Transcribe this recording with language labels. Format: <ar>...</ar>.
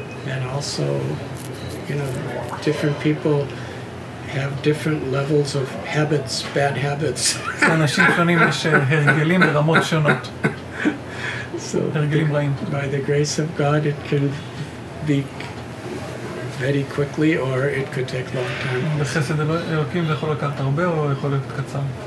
<en>And also, you know, different people have different levels of habits, bad habits.</en> <he>אנשים שונים יש הרגלים ברמות שונות.</he> <en>So by the grace of God, it can be very quickly or it could take a long time.</en> <he>בחסד אלוקים זה יכול לקחת הרבה או יכול להיות קצר.</he>